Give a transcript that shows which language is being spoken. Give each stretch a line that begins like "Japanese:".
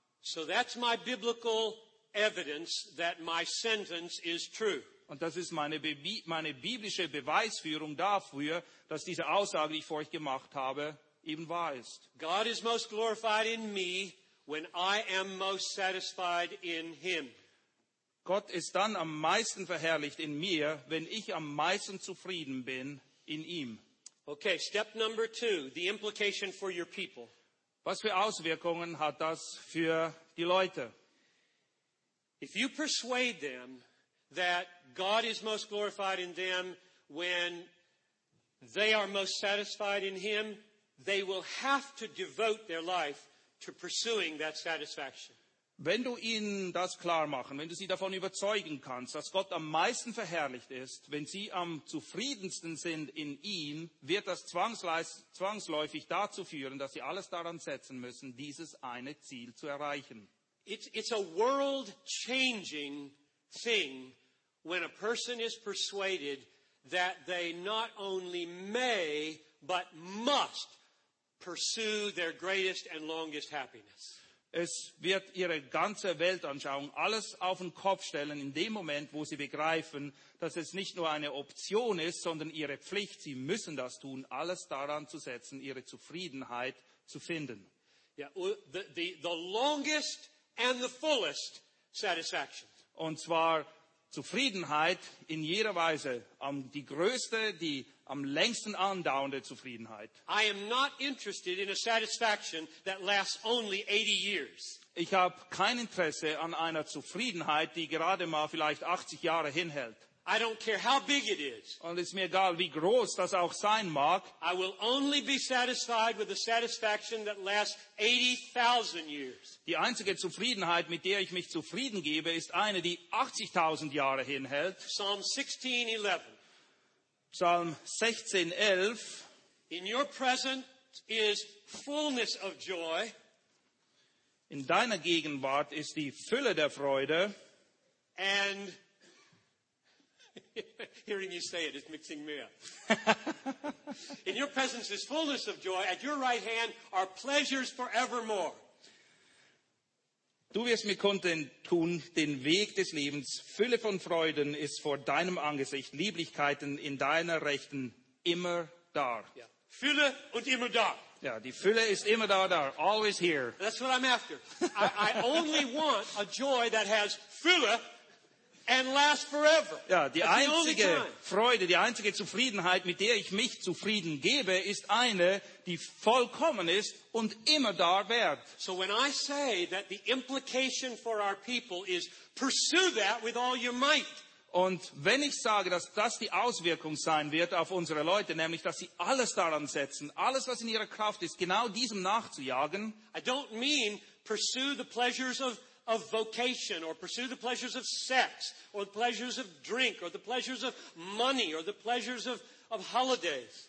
English: So that's my biblical evidence that my sentence is true.
German: Und das ist meine biblische Beweisführung dafür, dass diese Aussage, die ich vor euch gemacht habe, eben wahr ist.
English: God is most glorified in me when I am most satisfied in him.
German: Gott ist dann am meisten verherrlicht in mir, wenn ich am meisten zufrieden bin in ihm.
English: Okay, step number two, the implication for your people.
German: Was für Auswirkungen hat das für die Leute?
English: If you persuade them that God is most glorified in them when they are most satisfied in him, they will have to devote their life to pursuing that satisfaction.
German: Wenn du ihnen das klar machen, wenn du sie davon überzeugen kannst, dass Gott am meisten verherrlicht ist, wenn sie am zufriedensten sind in ihm, wird das zwangsläufig dazu führen, dass sie alles daran setzen müssen, dieses eine Ziel zu erreichen.
English: It's a world-changing thing when a person is persuaded that they not only may, but must pursue their greatest and longest happiness.
German: Es wird ihre ganze Weltanschauung alles auf den Kopf stellen in dem Moment, wo sie begreifen, dass es nicht nur eine Option ist, sondern ihre Pflicht, sie müssen das tun, alles daran zu setzen, ihre Zufriedenheit zu finden.
English: Yeah, the longest and the fullest satisfaction.
German: Und zwar Zufriedenheit in jeder Weise, die größte, die am längsten andauernde Zufriedenheit.
English: I am not interested in a satisfaction that lasts only 80 years.
German: Ich habe kein Interesse an einer Zufriedenheit, die gerade mal vielleicht 80 Jahre hinhält.
English: I don't care how big it is.
German: Und ist mir egal, wie groß das auch sein mag.
English: I will only be satisfied with the satisfaction that lasts 80,000 years.
German: Die einzige Zufriedenheit, mit der ich mich zufrieden gebe, ist eine, die 80,000 Jahre hinhält.
English: Psalm 16:11. In your presence is fullness of joy.
German: In deiner Gegenwart ist die Fülle der Freude.
English: And hearing you say it is mixing me up. In your presence is fullness of joy. At your right hand are pleasures forevermore.
German: Du wirst mir kundtun, den Weg des Lebens. Fülle von Freuden ist vor deinem Angesicht. Lieblichkeiten in deiner Rechten immer da. Ja. Fülle und immer da. Ja, die Fülle ist immer da, da.
English: Always here. That's what I'm after. I only want a joy that has Fülle. And last forever.
German: Ja, die einzige Freude, die einzige Zufriedenheit, mit der ich mich zufrieden gebe, ist eine, die vollkommen ist und immer da wird.
English: So when I say that the implication for our people is pursue that with all your might.
German: Und wenn ich sage, dass das die Auswirkung sein wird auf unsere Leute, nämlich dass sie alles daran setzen, alles was in ihrer Kraft ist, genau diesem nachzujagen.
English: I don't mean pursue the pleasures of vocation or pursue the pleasures of sex or the pleasures of drink or the pleasures of money or the pleasures of holidays.